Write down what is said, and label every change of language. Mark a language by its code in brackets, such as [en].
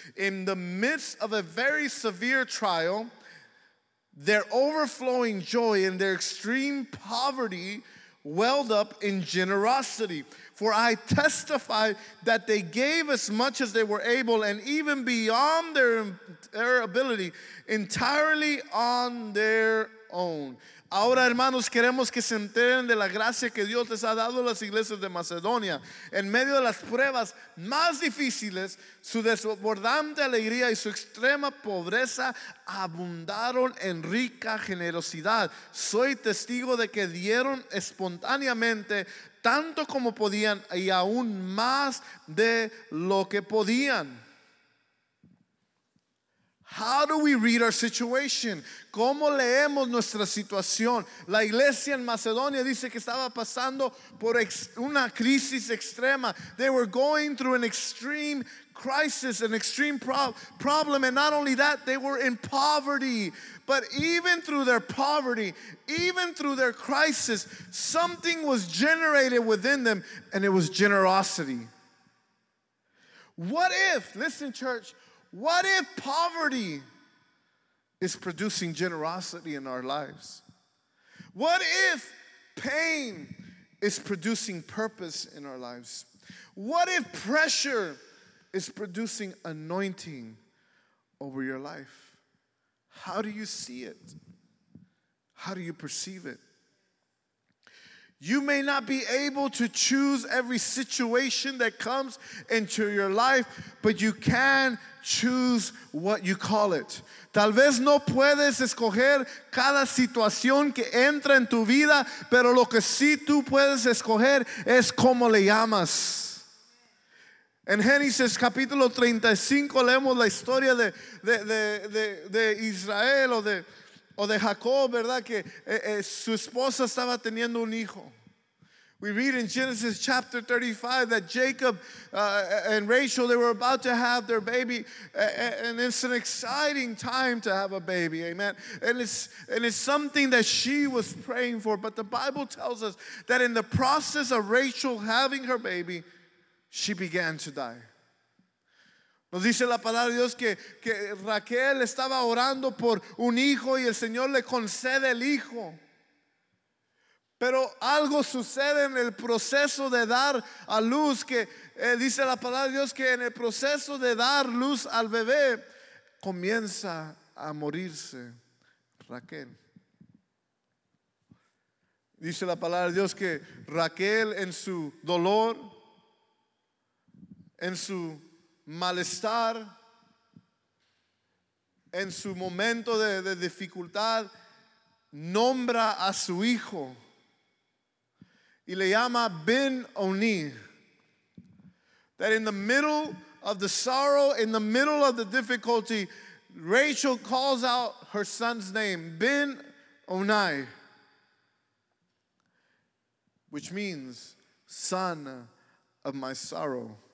[en] In the midst of a very severe trial, their overflowing joy and their extreme poverty welled up in generosity. For I testify that they gave as much as they were able and even beyond their ability, entirely on their own. [es] Ahora, hermanos, queremos que se enteren de la gracia que Dios les ha dado a las iglesias de Macedonia. En medio de las pruebas más difíciles, su desbordante alegría y su extrema pobreza abundaron en rica generosidad. Soy testigo de que dieron espontáneamente tanto como podían y aún más de lo que podían. [en] How do we read our situation? [es] ¿Cómo leemos nuestra situación? La iglesia en Macedonia dice que estaba pasando por una crisis extrema. [en] They were going through an extreme crisis, an extreme problem. And not only that, they were in poverty. But even through their poverty, even through their crisis, something was generated within them, and it was generosity. What if, listen, church, what if poverty is producing generosity in our lives? What if pain is producing purpose in our lives? What if pressure is producing anointing over your life? How do you see it? How do you perceive it? You may not be able to choose every situation that comes into your life, but you can choose what you call it. [es] Tal vez no puedes escoger cada situación que entra en tu vida, pero lo que sí tú puedes escoger es cómo le llamas. En Génesis capítulo 35 leemos la historia de Israel o de Jacob, ¿verdad? Que su esposa estaba teniendo un hijo. [en] We read in Genesis chapter 35 that Jacob and Rachel, they were about to have their baby, and it's an exciting time to have a baby, amen. And it's something that she was praying for, but the Bible tells us that in the process of Rachel having her baby, she began to die. [es] Nos dice la palabra de Dios que Raquel estaba orando por un hijo y el Señor le concede el hijo. Pero algo sucede en el proceso de dar a luz que dice la palabra de Dios que en el proceso de dar luz al bebé comienza a morirse Raquel. Dice la palabra de Dios que Raquel en su dolor, en su malestar, en su momento de dificultad, nombra a su hijo. Y le llama Ben Oni. [en] That in the middle of the sorrow, in the middle of the difficulty, Rachel calls out her son's name, Ben Oni, which means son of my sorrow.